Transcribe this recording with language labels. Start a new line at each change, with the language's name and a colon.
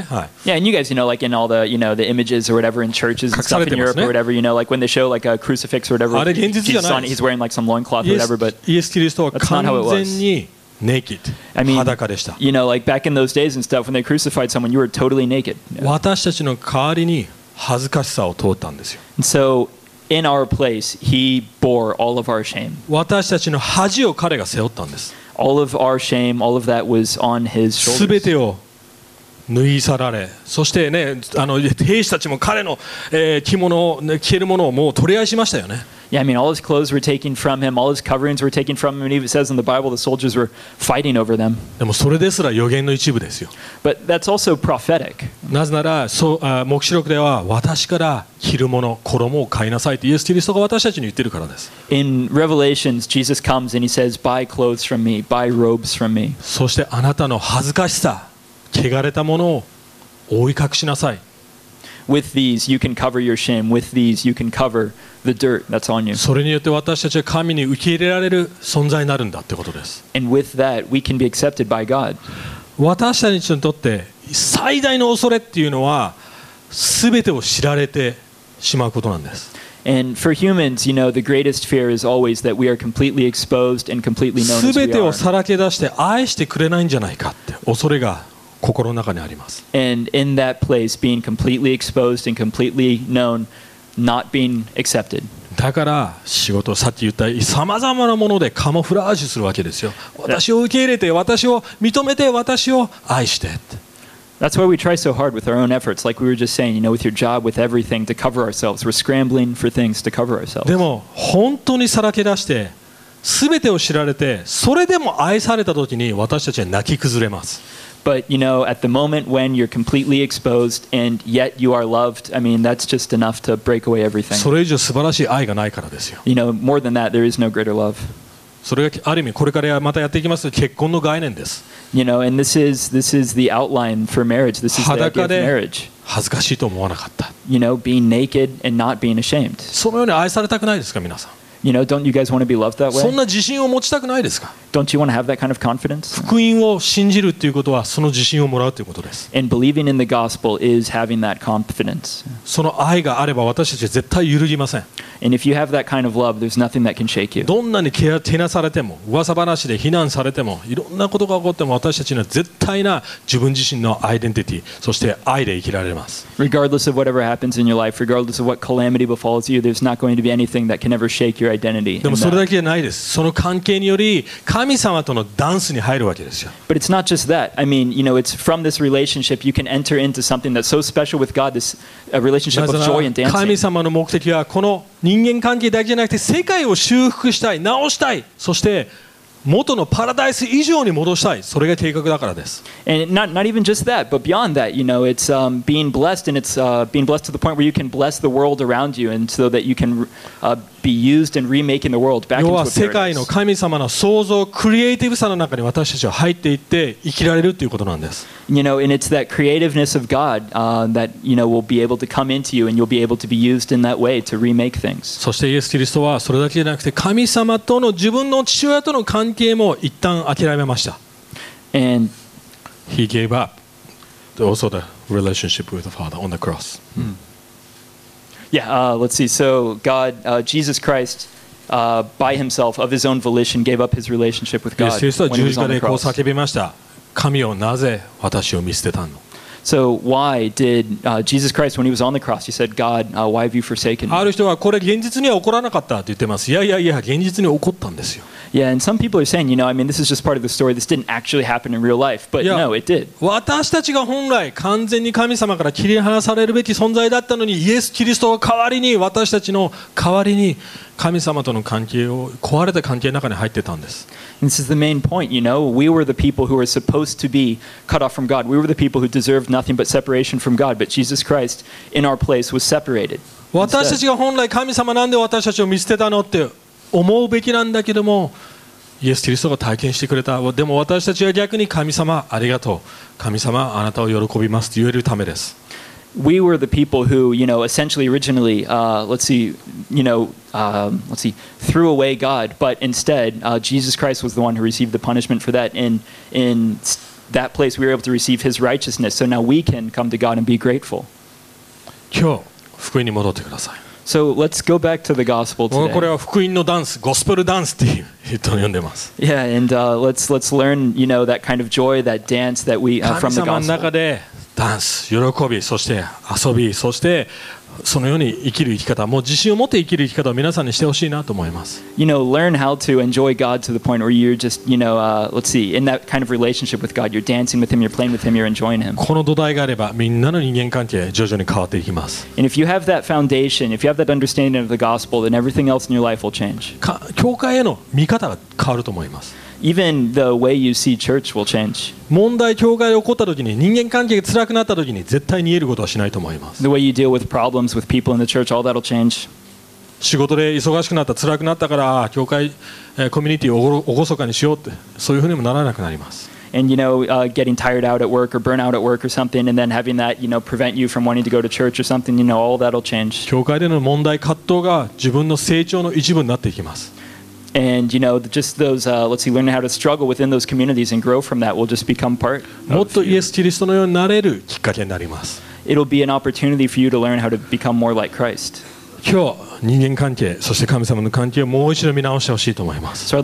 Japanese: はい。
English: Yeah, and you guys, you know, like in all the, you know, the images or whatever in churches and stuff in Europe or whatever, you know, like when they show like a crucifix or whatever, he's wearing like some loincloth or whatever, but that's not how it was.
Japanese: イエス・キリストは完全に
English: Naked. I mean,
Japanese: 裸でした。
English: You know, like back in those days and stuff, when they crucified someone, you were totally naked. Yeah.
Japanese: 私たちの代わりに恥ずかしさを通ったんですよ。
English: And so, in our place, he bore all of our shame.
Japanese: 私たちの恥を彼が背負ったんです。
English: All of our shame, all of that was on his shoulders.
Japanese: 全てを脱い去られ、そしてね、あの兵士たちも彼の、着物を、ね、着るものをもう取り合いしましたよね。
English: Yeah, I mean, all his clothes were taken from him, all his coverings were taken from him, and even says in the Bible the soldiers were fighting over them.
Japanese: でもそれですら予言の一部ですよ。
English: But that's also prophetic.
Japanese: なぜなら、黙示録では私から着るもの、衣を買いなさいとイエス・キリストが私たちに言ってるからです。
English: In Revelations, Jesus comes and he says, buy clothes from me, buy robes from me.
Japanese: そしてあなたの恥ずかしさ、汚れたものを覆い隠しなさい。
English: With these, you can cover your shame. With these, you can cover the dirt that's on you.
Japanese: それによって私たちは神に受け入れられる存在になるんだってことです。
English: And with that, we can be accepted by God.
Japanese: 私たちにとって最大の恐れっていうのは、すべてを知られてしまうことなんです。
English: And for humans, you know, the greatest fear is always that we are completely exposed and completely known as we are.
Japanese: すべてをさらけ出して愛してくれないんじゃないかって恐れが心の中にあります。
English: And in that place, being completely exposed and completely known, not being accepted.
Japanese: だから仕事、さっき言ったさまざまなものでカモフラージュするわけですよ。私を受け入れて、私を認めて、私を愛して。
English: That's why we try so hard with our own efforts, like we were just saying, you know, with your job, with everything, to cover ourselves. We're scrambling for things to cover ourselves.
Japanese: でも本当にさらけ出して、すべてを知られて、それでも愛されたときに私たちは泣き崩れます。
English: But you know, at the moment when you're completely exposed and yet you are loved, I mean, that's just enough to break away everything.
Japanese: それ以上素晴らしい愛がないからですよ。
English: You know, more than that, there is no greater love.
Japanese: それがある意味これからまたやっていきます結婚の概念です。
English: You know, and this is the outline for marriage. This is the idea of marriage.
Japanese: 恥ずかしいと思わなかった。
English: You know, being naked and not being ashamed.
Japanese: そのように愛されたくないですか皆さん。
English: You know, don't you guys want to be loved that way?
Japanese: そんな自信を持ちたくないですか?
English: Don't you want to have that kind of confidence?
Japanese: 福音を信じるっていうことはその自信をもらうということです。
English: And believing in the gospel is having that confidence.
Japanese: その愛があれば私たちは絶対揺るぎません。
English: And if you have that kind of love, there's nothing that can shake you.
Japanese: どんなに手なされても、噂話で非難されても、いろんなことが起こっても私たちには絶対な自分自身のアイデンティティ、そして愛で生きられます。
English: Regardless of whatever happens in your life, regardless of what calamity befalls you, there's not going to be anything that can ever shake your identity.
Japanese: でもそれだけじゃないです。その関係により神様とのダンスに入るわけですよ。
English: But it's not just that. I mean, you know, it's from this relationship you can enter into something that's so special with God, this relationship of joy and dancing.
Japanese: 神様の目的はこの人間関係だけじゃなくて世界を修復したい、直したい、そして元のパラダイス以上に戻したい、それが計画だからです。
English: And not even just that, but beyond that, you know, it's being blessed and it's being blessed to the point where you can bless the world around you and so that you can be used and remaking the world back into a paradise.
Japanese: 世界の神様の創造、クリエイティブさの中に私たちは入っていって生きられるということなんです。
English: You know, and it's that creativeness of God that, you know, will be able to come into you and you'll be able to be used in that way to remake things.
Japanese: そしてイエス・キリストはそれだけじゃなくて神様との自分の父親との関係も一旦諦めました。
English: And he gave up also the relationship with the Father on the cross. Yeah, let's see. So God, Jesus Christ, by himself, of his own volition, gave up his relationship with God when he was on the cross.
Japanese: 十字架でこう叫びました。神よ、なぜ私を見捨てたの?
English: So why did Jesus Christ, when he was on the cross, he said, God, why have you forsaken me?
Japanese: ある人はこれ現実には起こらなかったって言ってます。いやいやいや、現実に起こったんですよ。
English: Yeah, and some people are saying, you know, I mean, this is just part of the story. This didn't actually happen in real life, but no, it did.
Japanese: 私たちが本来完全に神様から切り離されるべき存在だったのに、イエス・キリストが代わりに私たちの代わりに神様との関係を壊れた関係の中に入ってたんです。
English: This is the main point, you know. We were the people who were supposed to be cut off from God. We were the people who deserved nothing but separation from God. But Jesus Christ, in our place, was separated.
Japanese: 私たちが本来神様なんで私たちを見捨てたのって。思うべきなんだけども、イエス・キリストが体験してくれた。でも私たちは逆に神様ありがとう。神様あなたを喜びますと言えるためです。
English: we were the people who, you know, essentially originally, threw away God, but instead, Jesus Christ was the one who received the punishment for that. In that place, we were able to receive his righteousness. So now we can come to God and be grateful.
Japanese: 今日、福音に戻ってください。
English: So let's go back to the gospel today.
Japanese: これは福音のダンス、ゴスペルダンスっていう人を呼んでます。
English: Yeah, and let's learn, you know, that kind of joy, that dance that we from the gospel.
Japanese: 神様の中でダンス、喜び、そして遊び、そしてそのように生きる生き方、もう自信を持って生きる生き方を皆さんにしてほしいなと思います。
English: You know, learn how to enjoy God to the point where you're just, you know, let's see, in that kind of relationship with God, you're dancing with Him, you're playing with Him, you're enjoying Him.
Japanese: この土台があればみんなの人間関係徐々に変わっていきます。
English: And if you have that foundation, if you have that understanding of the gospel, then everything else in your life will change.
Japanese: 教会への見方が変わると思います。
English: Even the way you see church will change.
Japanese: 問題教会で起こった時に人間関係が辛くなった時に絶対に言えることはしないと思います。
English: The way you deal with problems with people in the church, all that'll change.
Japanese: 仕事で忙しくなった、辛くなったから教会、コミュニティをおごそかにしようってそういうふうにもならなくなります。
English: And you know, getting tired out at work or burn out at work or something, and then having that, you know, prevent you from wanting to go to church or something, you know, all that'll change. 教会での問題葛藤が自分の成長の一部になっていきます。 And you know, just those, let's see, learning how to struggle within those communities and grow from that will just become part of you. It'll be an opportunity for you to learn how to become more like Christ. So I'd